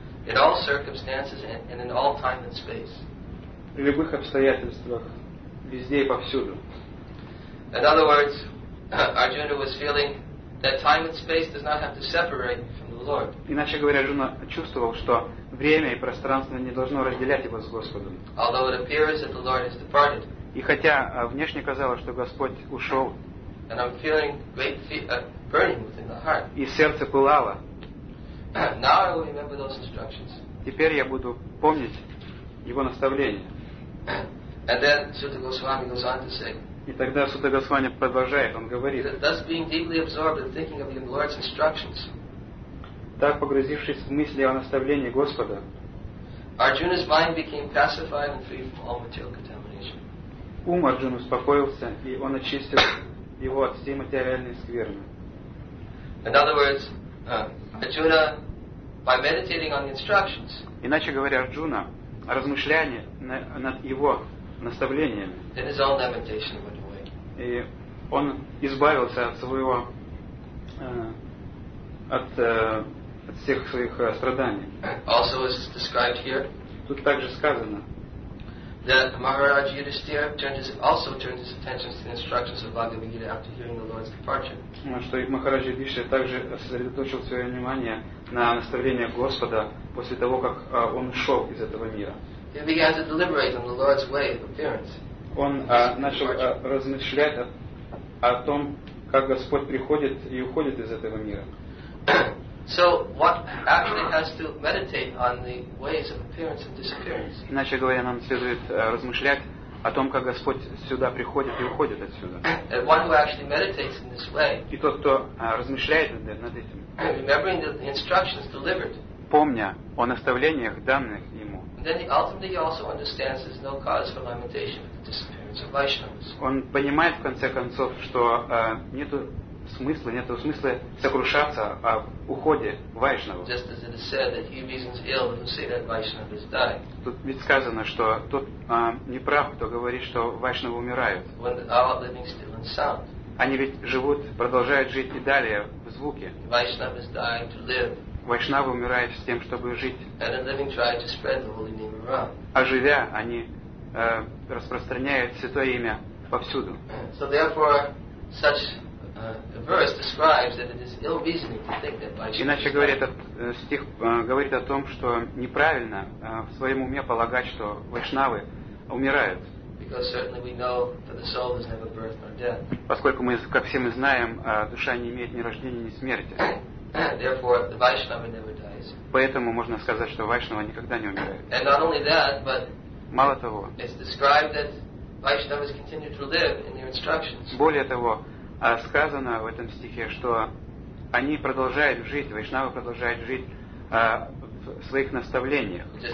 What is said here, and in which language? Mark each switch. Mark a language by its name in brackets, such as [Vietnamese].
[English] In all circumstances and in all time and space. [Russian] При любых обстоятельствах, везде и повсюду. [English] In other words, Arjuna was feeling that time and space does not have to separate from the Lord. [Russian] Иначе говоря, Арджуна чувствовал, что время и пространство не должно разделять его с Господом. [English] Although it appears that the Lord has departed. [Russian] И хотя внешне казалось, что Господь ушел. [English] And I'm feeling great burning within the heart. [Russian] И сердце пылало. [English] Now I will remember those instructions. [Russian] Теперь я буду помнить его наставления. [English] And then Sutta Goswami goes on to say. [Russian] И тогда Сута Госвами продолжает, он говорит. [English] Thus being deeply absorbed in thinking of the Lord's instructions. [Russian] Так погрузившись в мысли о наставлении Господа. [English] Arjuna's mind became pacified and free from all material contamination. [Russian] Ум Арджуны успокоился, и он очистил его от всей материальной скверны. [English] In other words, Arjuna, by meditating on the instructions. [Russian] Иначе говоря, Арджуна, размышляя над его наставлениями. [English] In his own lamentation went away. [Russian] И он избавился от своего от всех своих страданий. [English] Also is described here. [Russian] Тут также сказано. [English] That Maharaj Yudhishthira turned his attention to the instructions of Bhagavad Gita after hearing the Lord's departure. [Russian] Что Махараджа Юдхиштхира также сосредоточил свое внимание на наставлениях Господа после того, как он ушел из этого мира. [English] He began to deliberate on the Lord's way of appearance. [Russian] Он начал размышлять о том, как Господь приходит и уходит из этого мира. [English] So what actually has to meditate on the ways of appearance and disappearance? [Russian] Иначе говоря, нам следует размышлять о том, как Господь сюда приходит и уходит отсюда. [English] One who actually meditates in this way, [Russian] и тот, кто размышляет над этим, [English] remembering the instructions delivered, [Russian] помня о наставлениях, данных ему, [English] then ultimately he also understands there's no cause for lamentation with the disappearance of Vaishnavas. [Russian] Он понимает в конце концов, что нету смысла сокрушаться о уходе Вайшнава. [English] Just as it is said that he reasons ill who say that Vaishnava is dying. [Russian] Тут ведь сказано, что тот неправ, кто говорит, что Вайшнавы умирают. [English] When all are living still in sound. [Russian] Они ведь живут, продолжают жить и далее в звуке. [English] Vaishnava is dying to live. [Russian] Вайшнавы умирают с тем, чтобы жить. [English] And in living try to spread the holy name around. [Russian] А живя, они распространяют святое имя повсюду. [English] So therefore, such the verse describes that it is ill-reasoning to think that Vaishnava. [Russian] Иначе говоря, этот стих говорит о том, что неправильно в своем уме полагать, что вайшнавы умирают. [English] Because certainly we know that the soul has never birth nor death. [Russian] Поскольку мы, как все мы знаем, душа не имеет ни рождения, ни смерти. [English] Therefore, the Vaishnava never dies. [Russian] Поэтому можно сказать, что вайшнава никогда не умирает. [English] And not only that, but [Russian] мало того, [English] it's described that Vaishnavas continue to live in your instructions. [Russian] Более того, сказано в этом стихе, что они продолжают жить, вайшнавы продолжают жить в своих наставлениях.